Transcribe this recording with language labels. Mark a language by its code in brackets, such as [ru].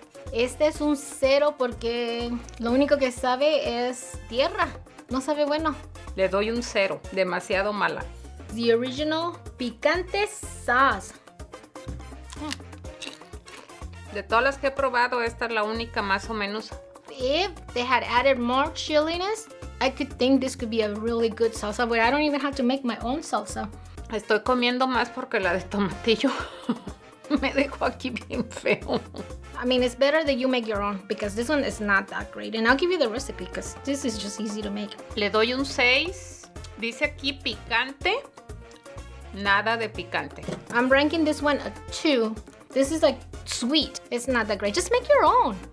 [es] Este es un 0 porque lo único que sabe es tierra. No sabe bueno. Le doy un 0. Demasiado mala. [en] The original picante sauce. [es] De todas las que he probado, esta es la única más o menos. [en] If they had added more chiliness, I could think this could be a really good salsa, but I don't even have to make my own salsa. [es] Estoy comiendo más porque la de tomatillo me dejó aquí bien feo. [en] I mean, it's better that you make your own because this one is not that great. And I'll give you the recipe because this is just easy to make. [es] Le doy un 6. Dice aquí picante. Nada de picante. [en] I'm ranking this one a 2. This is like sweet. It's not that great. Just make your own.